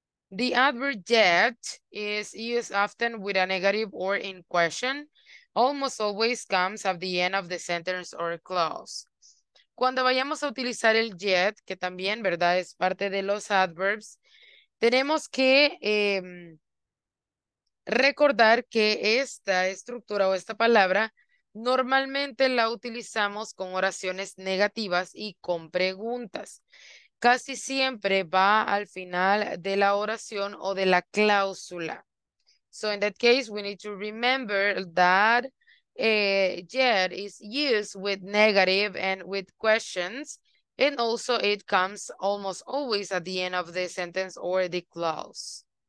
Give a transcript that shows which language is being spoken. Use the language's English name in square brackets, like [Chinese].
[English] The adverb yet is used often with a negative or in question, almost always comes at the end of the sentence or clause. [Spanish] Cuando vayamos a utilizar el yet, que también, ¿verdad?, es parte de los adverbs, tenemos que recordar que esta estructura o esta palabra normalmente la utilizamos con oraciones negativas y con preguntas. Casi siempre va al final de la oración o de la cláusula. [English] So in that case, we need to remember that yet is used with negative and with questions. And also it comes almost always at the end of the sentence or the clause.